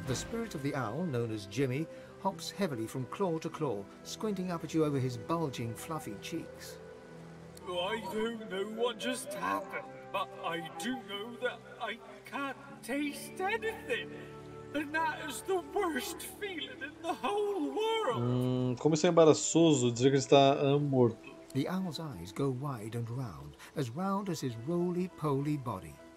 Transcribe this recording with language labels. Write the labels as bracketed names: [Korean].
[English] The spirit of the owl, known as Jimmy, hops heavily from claw to claw, squinting up at you over his bulging, fluffy cheeks. I don't know what just happened, but I do know that I can't taste anything. And that is the worst feeling in the whole world. [Portuguese] Como isso é embaraçoso dizer que ele está morto. [English] The owl's eyes go wide and round as his roly-poly body.